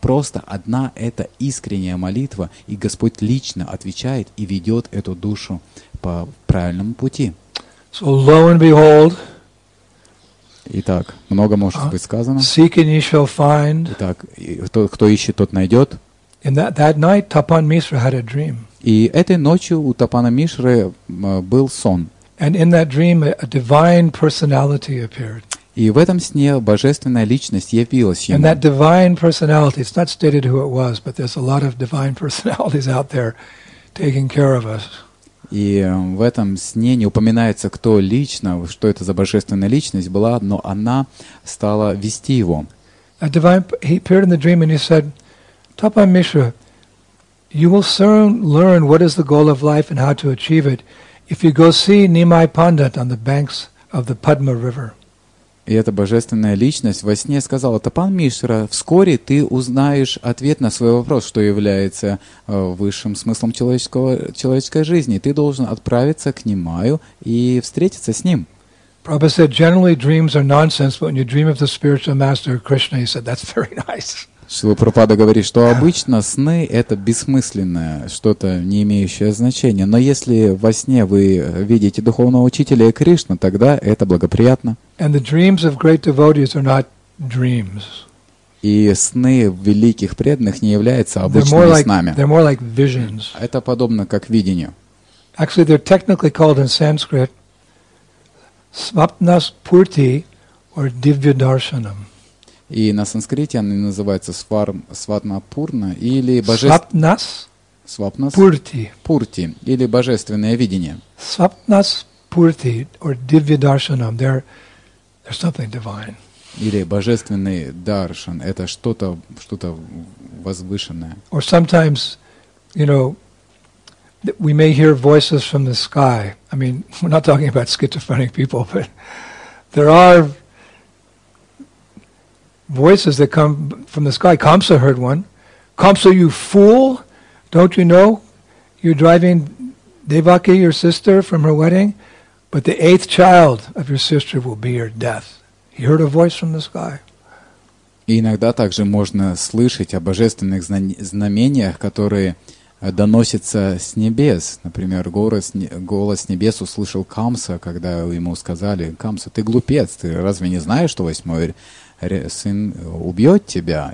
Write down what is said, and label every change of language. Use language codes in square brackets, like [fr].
[ru] Просто одна эта искренняя молитва, и Господь лично отвечает и ведет эту душу по правильному пути. [en] So lo and behold. [ru] Итак, много может быть сказано. [en] Seek and ye shall find. [ru] Итак, кто ищет, тот найдет. [en] And that night Tapan Mishra had a dream. [ru] И этой ночью у Тапана Мишры был сон. [en] And in that dream, a divine personality appeared. [ru] И в этом сне божественная личность явилась ему. [en] And that divine personality, it's not stated who it was, but there's a lot of divine personalities out there taking care of us. [ru] И в этом сне не упоминается, кто лично, что это за божественная личность была, но она стала вести его. [en] A divine, he appeared in the dream and he said, Tapa Misha, you will soon learn what is the goal of life and how to achieve it if you go see Nimai Pandit on the banks of the Padma River. [ru] И эта божественная личность во сне сказала, Тапан Мишра, вскоре ты узнаешь ответ на свой вопрос, что является высшим смыслом человеческой жизни. Ты должен отправиться к Нимаю и встретиться с ним. [en] Prabhupada said, generally dreams are nonsense, but when you dream of the spiritual master Krishna, he said, that's very nice. [ru] Шрила Прабхупада говорит, что обычно сны — это бессмысленное, что-то не имеющее значения. Но если во сне вы видите духовного учителя и Кришну, тогда это благоприятно. [en] And the dreams of great devotees are not dreams. [ru] И сны великих преданных не являются обычными снами. [en] They're more like visions. [ru] Это подобно как видению. [en] Actually, they're technically called in Sanskrit svapnas purti or divya darshanam. [ru] И на санскрите они называются сватнапурна или божественное. Свапнас пурти. Пурти или божественное видение. [en] Свапнас пурти or divya darshanam. There's something divine. [ru] Или божественный даршан. Это что-то возвышенное. [en] Or sometimes, you know, we may hear voices from the sky. I mean, we're not talking about schizophrenic people, but there are voices that come from the sky. Kamsa heard one. Kamsa, you fool! Don't you know? You're driving Devaki, your sister, from her wedding, but the eighth child of your sister will be your death. He heard a voice from the sky. [ru] И иногда также можно слышать о божественных знамениях, которые доносятся с небес. Например, голос небес услышал Камса, когда ему сказали, «Камса, ты глупец, ты разве не знаешь, что восьмой сын убьет тебя?»